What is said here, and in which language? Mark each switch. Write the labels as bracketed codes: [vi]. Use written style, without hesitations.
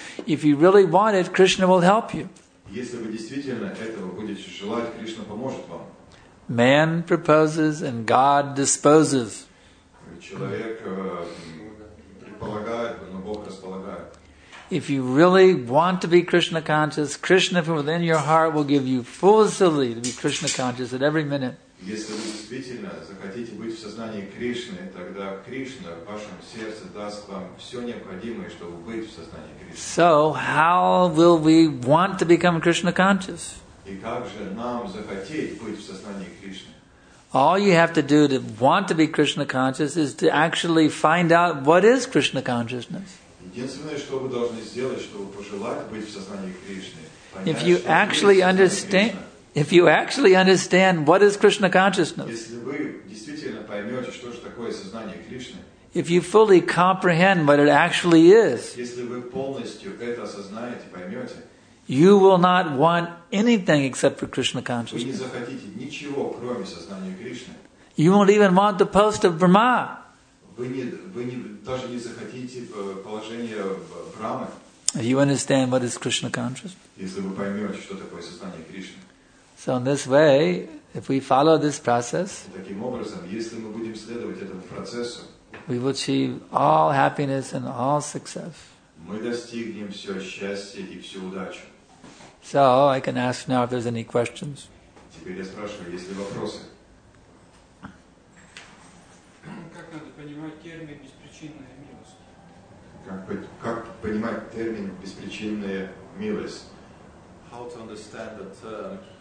[en] If you really want it, Krishna will help you. [ru] Если вы действительно этого будете желать, Кришна поможет вам. [en] Man proposes and God disposes. [ru] Человек предполагает, но Бог располагает. [en] If you really want to be Krishna conscious, Krishna from within your heart will give you full facility to be Krishna conscious at every minute. [ru] Если вы действительно захотите быть в сознании Кришны, тогда Кришна в вашем сердце даст вам все необходимое, чтобы быть в сознании Кришны. [en] So, how will we want to become Krishna conscious? [ru] И как же нам захотеть быть в сознании Кришны? [en] All you have to do to want to be Krishna conscious is to actually find out what is Krishna consciousness. [ru] Единственное, что вы должны сделать, чтобы пожелать быть в сознании Кришны, [en] if you actually understand. If you actually understand what is Krishna consciousness, [ru] если вы действительно поймете, что же такое сознание Кришны, [en] if you fully comprehend what it actually is, [ru] если вы полностью это осознаете, поймете, [en] you will not want anything except for Krishna consciousness. [ru] Вы не захотите ничего, кроме сознания Кришны. [en] You won't even want the post of Brahma. [ru] Даже не захотите положение Брамы. [en] If you understand what is Krishna consciousness, [ru] если вы поймете, что такое сознание Кришны. [en] So in this way, if we follow this process, [ru] таким образом, если мы будем следовать этому процессу, [en] we will achieve all happiness and all success. [ru] Мы достигнем все счастье и всю удачу. [en] So I can ask now if there's any questions. [ru] Теперь я спрашиваю, есть ли вопросы? Как надо понимать термин «беспричинная милость»? Как понимать термин «беспричинная милость»? [en] How to understand the term?